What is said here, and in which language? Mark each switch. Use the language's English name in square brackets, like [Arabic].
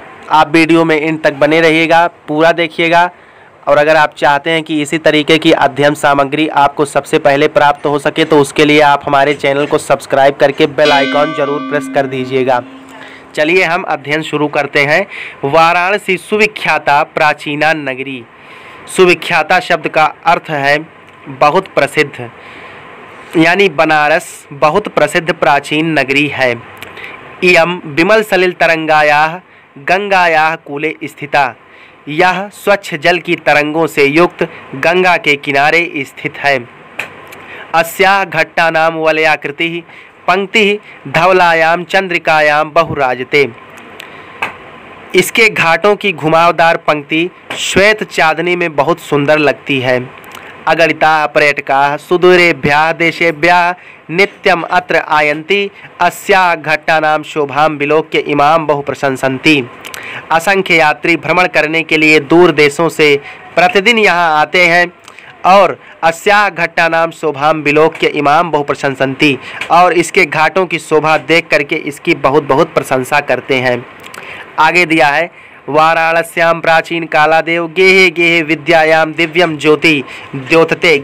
[Hindi] आप वीडियो में इन तक बने रहिएगा, पूरा देखिएगा, और अगर आप चाहते हैं कि इसी तरीके की अध्ययन सामग्री आपको सबसे पहले प्राप्त हो सके तो उसके लिए आप हमारे चैनल को सब्सक्राइब करके बेल आइकॉन जरूर प्रेस कर दीजिएगा। चलिए हम अध्ययन शुरू करते हैं। [Sanskrit] वाराणसी सुविख्याता प्राचीना नगरी। [Hindi] सुविख्याता शब्द का अर्थ है बहुत प्रसिद्ध, यानी बनारस बहुत प्रसिद्ध प्राचीन नगरी है। [Sanskrit] इयम विमल सलिल तरंगायाः गंगायाः कूले स्थिता। [Hindi] यह स्वच्छ जल की तरंगों से युक्त गंगा के किनारे स्थित है। [Sanskrit] अस्याः घट्टानां वलयाकृतिः पंक्तिः धवलायां चंद्रिकायां बहुराजते। [Hindi] इसके घाटों की घुमावदार पंक्ति श्वेत चांदनी में बहुत सुंदर लगती है। [Sanskrit] अगणिता पर्यटका सुदूरेभ्यः देशेभ्यः नित्यम अत्र आयन्ति अस्याः घट्टानां शोभां विलोक्य इमां बहु प्रशंसन्ति। [Hindi] असंख्य यात्री भ्रमण करने के लिए दूर देशों से प्रतिदिन यहाँ आते हैं और [Sanskrit] अस्याः घट्टानां शोभां विलोक्य इमां बहु प्रशंसन्ति, [Hindi] और इसके घाटों की शोभा देख करके इसकी बहुत बहुत प्रशंसा करते हैं। आगे दिया है, [Sanskrit] वाराणस्याम प्राचीन कालादेव गेहे गेहे विद्यायाम दिव्यम ज्योति द्योतते।